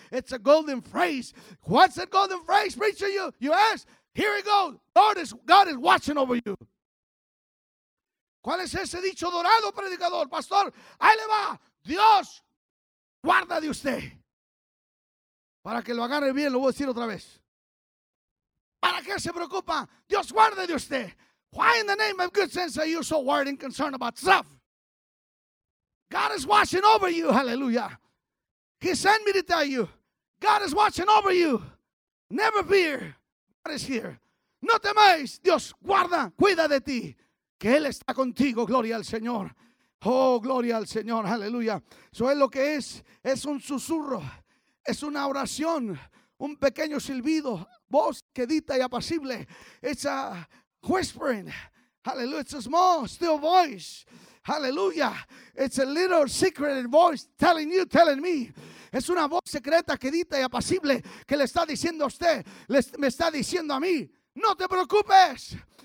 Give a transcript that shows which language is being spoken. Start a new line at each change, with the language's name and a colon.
English: It's a golden phrase. What's a golden phrase, preacher? You ask. Here it goes. God is watching over you.
Spanish: ¿Cuál es ese dicho dorado, predicador, pastor? Ahí le va. Dios guarda de usted. Para que lo agarre bien, lo voy a decir otra vez. ¿Para qué se preocupa? Dios guarda de usted.
English: Why in the name of good sense are you so worried and concerned about stuff? God is watching over you, hallelujah. He sent me to tell you. God is watching over you. Never fear. God is here.
Spanish: No temáis. Dios guarda, cuida de ti. Que Él está contigo, gloria al Señor. Oh, gloria al Señor, aleluya. Eso es lo que es un susurro, es una oración, un pequeño silbido, voz quedita y apacible.
English: It's a whispering, aleluya. It's a small, still voice, aleluya. It's a little secret voice telling you, telling me.
Spanish: Es una voz secreta, quedita y apacible que le está diciendo a usted, me está diciendo a mí, no te preocupes.